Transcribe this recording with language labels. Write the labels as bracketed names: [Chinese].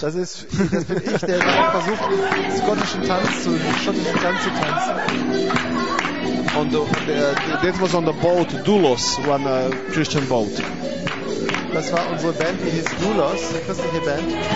[German] Das bin ich, der versucht, schottischen Tanz zu tanzen. [English] On the, that was on the boat Doulos, one Christian boat. [German] Das war unsere Band, die hieß Doulos, eine christliche Band.